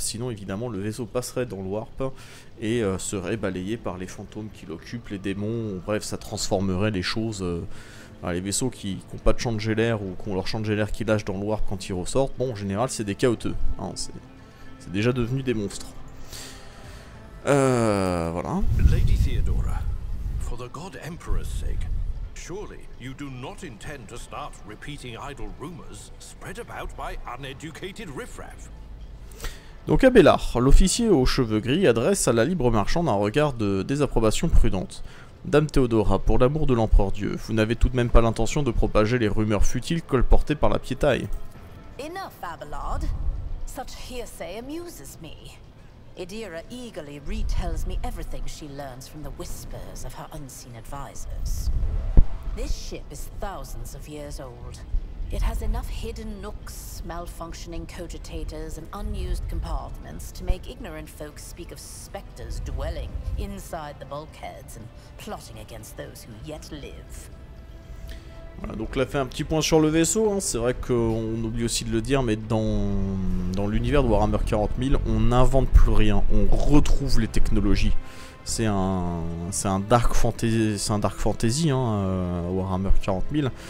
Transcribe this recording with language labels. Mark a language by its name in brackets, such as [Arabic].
[French] Sinon évidemment le vaisseau passerait dans le warp et serait balayé par les fantômes qui l'occupent, les démons, bref, ça transformerait les choses. Les vaisseaux qui n'ont pas de champ de Geller ou qui ont leur champ de Geller qui lâche dans le warp quand ils ressortent, bon, en général c'est des chaoteux, hein, c'est déjà devenu des monstres. Voilà. [English] Lady Theodora. For the God Emperor's sake, surely you do not intend to start repeating idle rumors spread about by uneducated riffraff. [French] Donc Abelard, l'officier aux cheveux gris, adresse à la libre marchande un regard de désapprobation prudente. Dame Théodora, pour l'amour de l'Empereur Dieu, vous n'avez tout de même pas l'intention de propager les rumeurs futiles colportées par la piétaille. [English] Enough, Abelard. Such hearsay amuses me. Idira eagerly retells me everything she learns from the whispers of her unseen advisors. This ship is thousands of years old, It has enough hidden nooks, malfunctioning cogitators, and unused compartments to make ignorant folks speak of specters dwelling inside the bulkheads and plotting against those who yet live. [French] Voilà, donc là, fait un petit point sur le vaisseau. Hein. C'est vrai qu'on oublie aussi de le dire, mais dans l'univers de Warhammer 40 000, on n'invente plus rien. On retrouve les technologies. C'est un dark fantasy, hein, Warhammer 40 000.